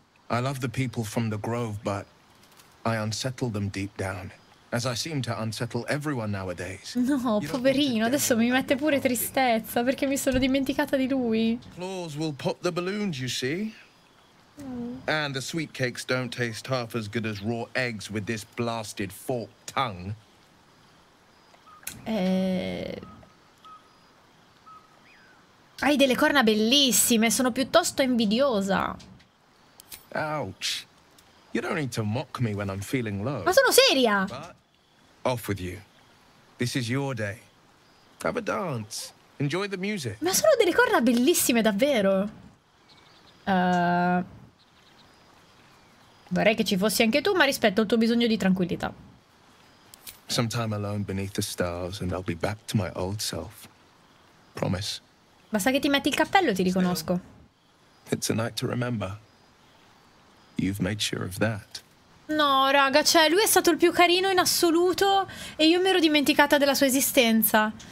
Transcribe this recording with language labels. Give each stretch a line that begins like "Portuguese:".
English: I love the people from the grove, but I unsettle them deep down, as I seem to unsettle everyone nowadays.
Italian: No, poverino. Adesso mi mette pure tristezza perché mi sono dimenticata di lui.
English: Claws will pop the balloons, you see. And the sweet cakes don't taste half as good as raw eggs with this blasted forked tongue.
Italian: Hai delle corna bellissime, sono piuttosto invidiosa.
English: Ouch. You don't need to mock me when I'm feeling low.
Italian: Ma sono seria.
English: But off with you. This is your day. Have a dance. Enjoy the music.
Italian: Ma sono delle corna bellissime davvero. Vorrei che ci fossi anche tu, ma rispetto il tuo bisogno di tranquillità.
English: Some time alone beneath the stars and I'll be back to my old self. Promise.
Italian: Basta che ti metti il cappello e ti riconosco.
English: It's a night to remember. You've made sure of that.
Italian: No, raga, cioè lui è stato il più carino in assoluto e io mi ero dimenticata della sua esistenza.